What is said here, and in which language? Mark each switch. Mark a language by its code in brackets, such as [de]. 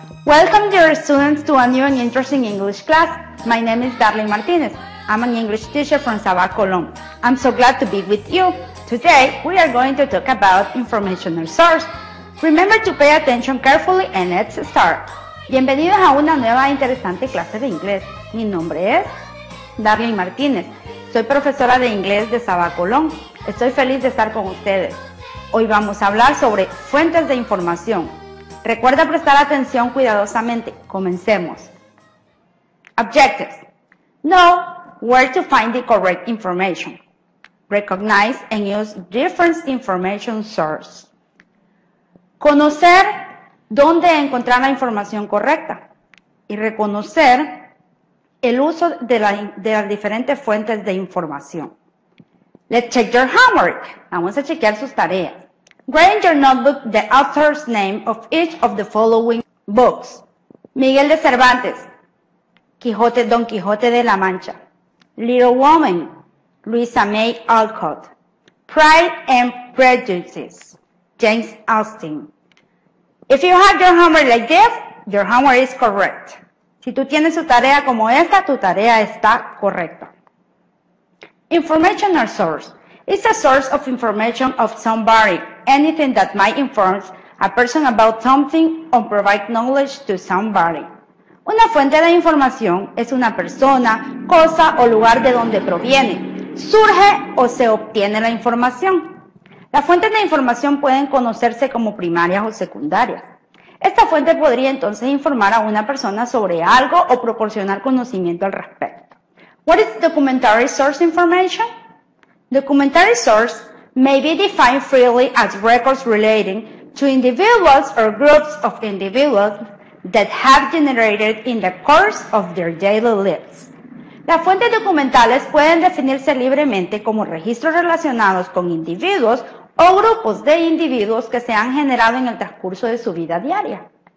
[en] Welcome dear students to a new and interesting English class. My name is Darlene Martinez. I'm an English teacher from Sabah, Colón. I'm so glad to be with you. Today, we are going to talk about informational source. Remember to pay attention carefully and let's start. [es] Bienvenidos a una nueva interesante clase de inglés. Mi nombre es Darlene Martinez. Soy profesora de inglés de Sabah, Colón. Estoy feliz de estar con ustedes. Hoy vamos a hablar sobre fuentes de información. Recuerda prestar atención cuidadosamente. Comencemos. [en] Objectives. Know where to find the correct information. Recognize and use different information sources. [es] Conocer dónde encontrar la información correcta y reconocer el uso de, las diferentes fuentes de información. [en] Let's check your homework. [es] Vamos a chequear sus tareas. [en] Write in your notebook the author's name of each of the following books. Miguel de Cervantes, Quijote, Don Quijote de la Mancha. Little Woman, Louisa May Alcott. Pride and Prejudice, James Austen. If you have your homework like this, your homework is correct. [es] Si tú tienes su tarea como esta, tu tarea está correcta. [en] Informational source. It's a source of information of somebody, anything that might inform a person about something or provide knowledge to somebody. [es] Una fuente de información es una persona, cosa o lugar de donde proviene. Surge o se obtiene la información. Las fuentes de información pueden conocerse como primarias o secundarias. Esta fuente podría entonces informar a una persona sobre algo o proporcionar conocimiento al respecto. [en] What is documentary source information? Documentary source may be defined freely as records relating to individuals or groups of individuals that have generated in the course of their daily lives. [es] Las fuentes documentales pueden definirse libremente como registros relacionados con individuos o grupos de individuos que se han generado en el transcurso de su vida diaria.